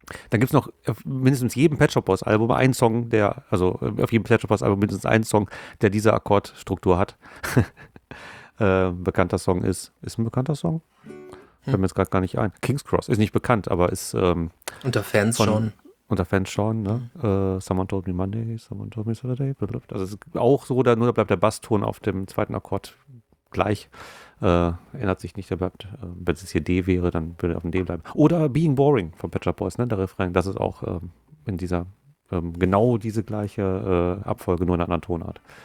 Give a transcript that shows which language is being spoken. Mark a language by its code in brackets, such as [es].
[de] Dann gibt es noch mindestens jedem Pet Shop Boys Album einen Song, der, also auf jedem Pet Shop Boys Album mindestens einen Song, der diese Akkordstruktur hat. bekannter Song ist. Ist ein bekannter Song? Fällt mir jetzt gerade gar nicht ein. King's Cross ist nicht bekannt, aber ist. Unter Fans von, schon. Unter Fans schon, ne? [en] Someone told me Monday, someone told me Saturday. [de] Also es ist auch so, da nur bleibt der Basston auf dem zweiten Akkord gleich. Ändert sich nicht, wenn es hier D wäre, dann würde er auf dem D bleiben. Oder Being Boring von Pet Shop Boys, ne? Der Refrain, das ist auch in dieser, genau diese gleiche Abfolge, nur in einer anderen Tonart.